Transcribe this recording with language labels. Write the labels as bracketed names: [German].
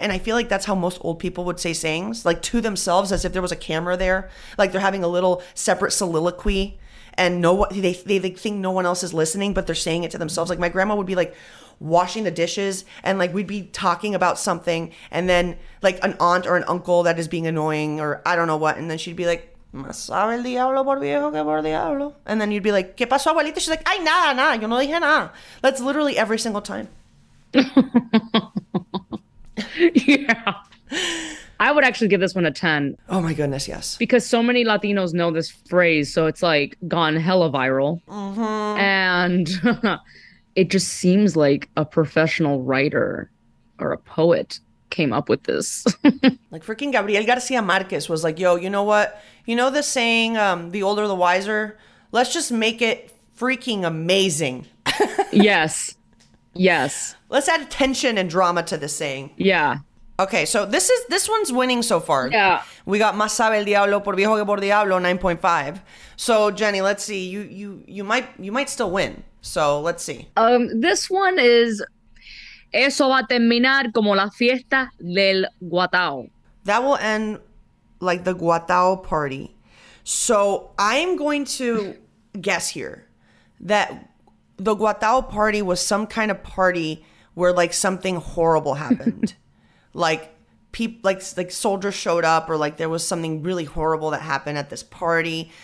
[English] And I feel like that's how most old people would say sayings, like to themselves, as if there was a camera there. Like they're having a little separate soliloquy and they think no one else is listening, but they're saying it to themselves. Like my grandma would be like washing the dishes and like we'd be talking about something and then like an aunt or an uncle that is being annoying or I don't know what. And then she'd be like, [Spanish] ¿Más sabe el diablo por viejo que por diablo? [English] And then you'd be like, [Spanish] ¿Qué pasó, abuelita? [English] She's like, [Spanish] ¡Ay, nada, nada! Yo no dije nada. [English] That's literally every single time. Yeah. I would actually give this one a 10. Oh, my goodness, yes. Because so many Latinos know this phrase, so it's, like, gone hella viral. Mm-hmm. And it just seems like a professional writer or a poet came up with this. Like, freaking Gabriel Garcia Marquez was like, yo, you know what? You know the saying, the older the wiser? Let's just make it freaking amazing. Yes. Yes. Let's add tension and drama to this saying. Yeah. Okay, so this one's winning so far. Yeah. We got [Spanish] Más sabe el diablo por viejo que por diablo, 9.5. [English] So Jenny, let's see. You might still win. So let's see. This one is [Spanish] Eso va a terminar como la fiesta del guatao. [English] That will end like the guatao party. So I'm going to guess here that the guatao party was some kind of party where like something horrible happened. like soldiers showed up or like there was something really horrible that happened at this party.